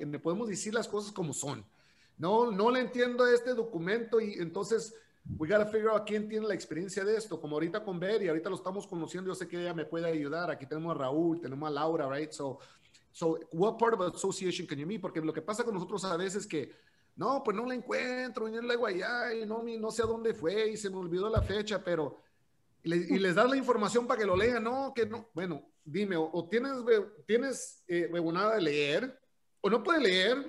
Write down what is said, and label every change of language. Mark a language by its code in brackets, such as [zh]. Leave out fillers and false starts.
[es] En el podemos decir las cosas como son. No le entiendo este documento, y entonces [en] we gotta figure out [es] quién tiene la experiencia de esto, como ahorita con Betty, ahorita lo estamos conociendo, yo sé que ella me puede ayudar, aquí tenemos a Raúl, tenemos a Laura, right? [en] So what part of an association can you meet? [es] Porque lo que pasa con nosotros a veces es que, no, pues no la encuentro, ni en la guayá, y no sé a dónde fue, y se me olvidó la fecha, pero... Y les das la información para que lo lean. No, que no. Bueno, dime, o tienes huevonada de leer, o no puede leer.